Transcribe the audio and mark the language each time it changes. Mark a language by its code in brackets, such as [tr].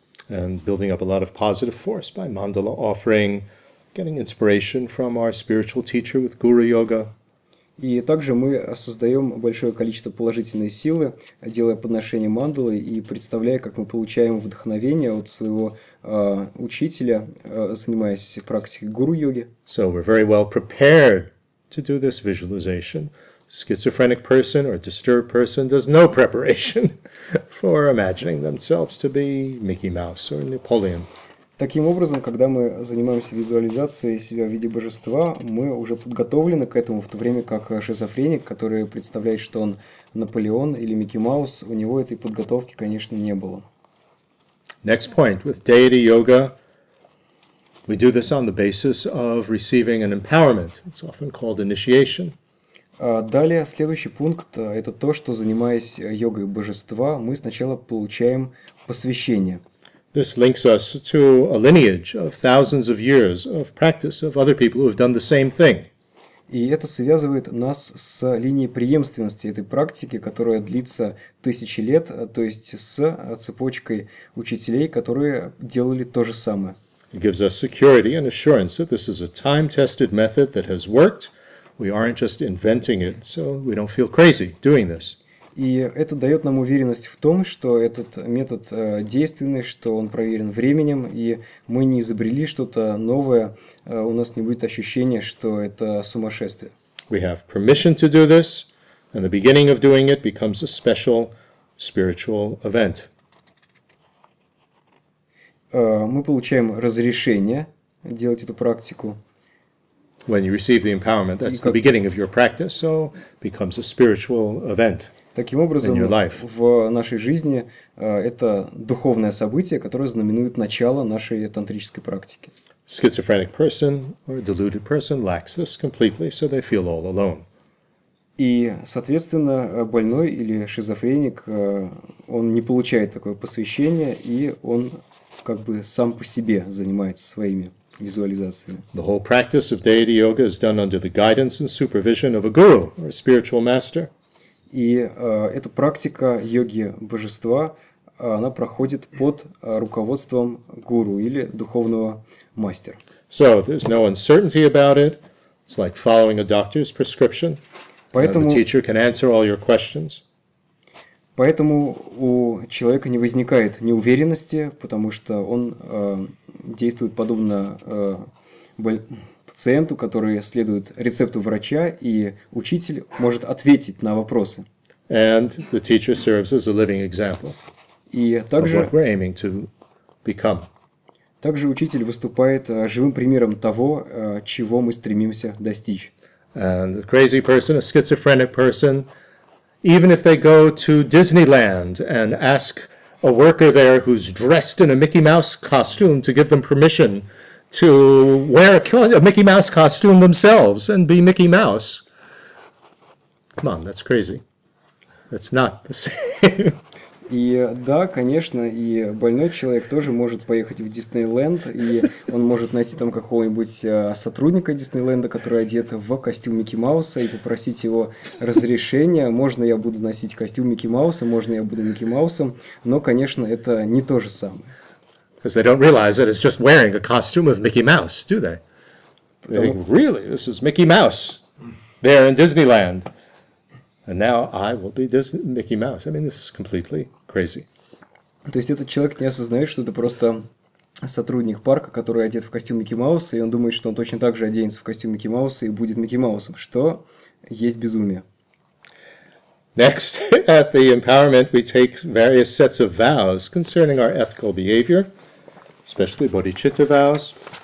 [en] And building up a lot of positive force by mandala offering, getting inspiration from our spiritual teacher with guru yoga. [ru] И также мы создаем большое количество положительной силы, делая подношение мандалы и представляя, как мы получаем вдохновение от своего учителя, занимаясь практикой гуру-йоги. [en] So we're very well prepared to do this visualization. Schizophrenic person or disturbed person does no preparation for imagining themselves to be Mickey Mouse or Napoleon. [ru] Таким образом, когда мы занимаемся визуализацией себя в виде божества, мы уже подготовлены к этому, в то время как шизофреник, который представляет, что он Наполеон или Микки Маус, у него этой подготовки, конечно, не было. [en] Next point. With deity yoga, we do this on the basis of receiving an empowerment. It's often called initiation. [ru] Далее, следующий пункт – это то, что, занимаясь йогой божества, мы сначала получаем посвящение. [en] This links us to a lineage of thousands of years of practice of other people who have done the same thing. [ru] И это связывает нас с линией преемственности этой практики, которая длится тысячи лет, то есть с цепочкой учителей, которые делали то же самое. [en] It gives us security and assurance that this is a time-tested method that has worked. We aren't just inventing it, so we don't feel crazy doing this. [ru] И это дает нам уверенность в том, что этот метод действенный, что он проверен временем, и мы не изобрели что-то новое, у нас не будет ощущения, что это сумасшествие. [en] We have permission to do this, and the beginning of doing it becomes a special spiritual event. [ru] Мы получаем разрешение делать эту практику. [en] When you receive the empowerment, that's the beginning of your practice, so becomes a spiritual event. [ru] Таким образом, в нашей жизни это духовное событие, которое знаменует начало нашей тантрической практики. [en] Schizophrenic person or deluded person lacks this completely, so they feel all alone. [ru] И, соответственно, больной или шизофреник, он не получает такое посвящение, и он как бы сам по себе занимается своими визуализациями. [en] The whole practice of deity yoga is done under the guidance and supervision of a guru or a spiritual master. [ru] И эта практика йоги божества, она проходит под руководством гуру или духовного мастера. [en] So, there's no uncertainty about it. It's like following a doctor's prescription. [ru] Поэтому, [en] the teacher can answer all your questions. [ru] Поэтому у человека не возникает неуверенности, потому что он действует подобно пациенту, который следует рецепту врача, и учитель может ответить на вопросы. [en] And the teacher serves as a living example [ru] также, [en] of what we're aiming to become. [ru] Также учитель выступает живым примером того, чего мы стремимся достичь. [en] And a crazy person, a schizophrenic person, even if they go to Disneyland and ask a worker there who's dressed in a Mickey Mouse costume to give them permission to wear a Mickey Mouse costume themselves and be Mickey Mouse. Come on, that's crazy. That's not the same. [ru] И да, конечно, и больной человек тоже может поехать в Диснейленд, и он может найти там какого-нибудь сотрудника Диснейленда, который одет в костюм Микки Мауса, и попросить его разрешения. Можно я буду носить костюм Микки Мауса, можно я буду Микки Маусом, но, конечно, это не то же самое. [en] Because they don't realize that it's just wearing a costume of Mickey Mouse, do they? They think, really? This is Mickey Mouse there in Disneyland. And now I will be Mickey Mouse. I mean, this is completely crazy. [ru] То есть этот человек не осознает, что это просто сотрудник парка, который одет в костюм Микки Мауса, и он думает, что он точно так же оденется в костюм Микки Мауса и будет Микки Маусом, что есть безумие. [en] Next, at the empowerment, we take various sets of vows concerning our ethical behavior, especially bodhicitta vows.